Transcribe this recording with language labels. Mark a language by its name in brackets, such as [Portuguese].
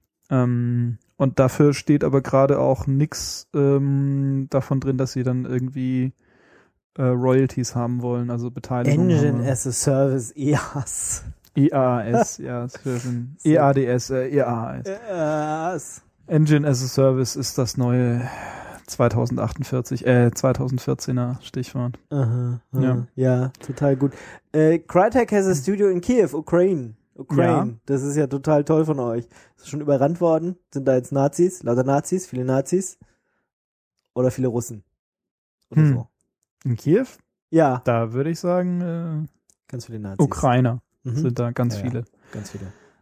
[German] Und dafür steht aber gerade auch nichts davon drin, dass sie dann irgendwie Royalties haben wollen, also Beteiligung. [English] Engine as a Service, EAS. [German] EAS, ja, EADS, EAS. EAS. Engine as a Service ist das neue 2014er Stichwort. Aha, ja, total gut. [English] Crytek has a studio in Kiev, Ukraine. [German] Ja. Das ist ja total toll von euch. Ist schon überrannt worden? Sind da jetzt Nazis? Lauter Nazis? Viele Nazis? Oder viele Russen? Oder so. In Kiew? Ja. Da würde ich sagen, ganz viele Nazis. Ukrainer sind da ganz viele. Ganz viele.